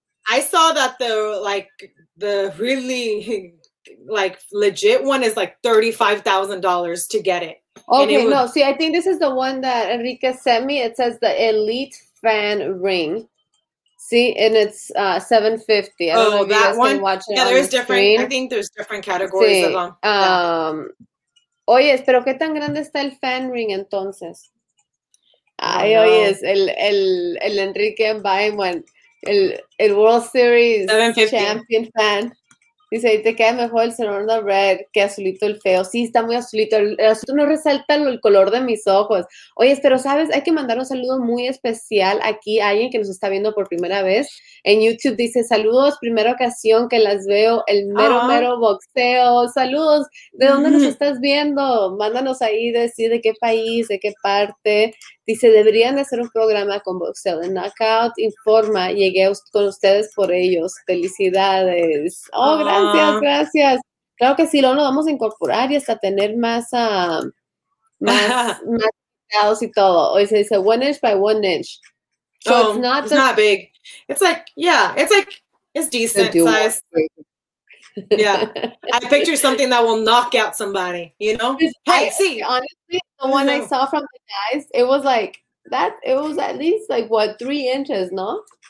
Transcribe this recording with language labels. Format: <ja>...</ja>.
<en>I saw that the, like, the really, like, legit one is like $35,000 to get it. Okay, it was, no. See, I think this is the one that Enrique sent me. It says the Elite Fan Ring. See, and it's $750. I don't know if you guys can watch it. Yeah, there's different. I think there's different categories of them.</en> <es>Oye, pero ¿qué tan grande está el fan ring entonces? Ay, oye, el Enrique</es> <en>buying one.</en> <es>El World Series champion fan. Dice, te queda mejor el Sonora Red que azulito el feo. Sí, está muy azulito. El azulito no resalta el color de mis ojos. Oye, pero sabes, hay que mandar un saludo muy especial aquí a alguien que nos está viendo por primera vez en YouTube. Dice, saludos, primera ocasión que las veo, el mero mero boxeo. Saludos, ¿de dónde nos estás viendo? Mándanos ahí decir de qué país, de qué parte. Dice, deberían de hacer un programa con boxeo de Knockout. Informa, llegué con ustedes por ellos. Felicidades. Oh, gracias. Claro que sí, luego lo vamos a incorporar y hasta tener más, más más y todo. O sea,</es> <en>it's a 1 inch by 1 inch. So oh, it's not big. It's like, yeah, it's like, it's decent size. Yeah, I picture something that will knock out somebody, you know? Hey, see, honestly, the one I saw from the guys, it was like that, it was at least like what, 3 inches, no?</en>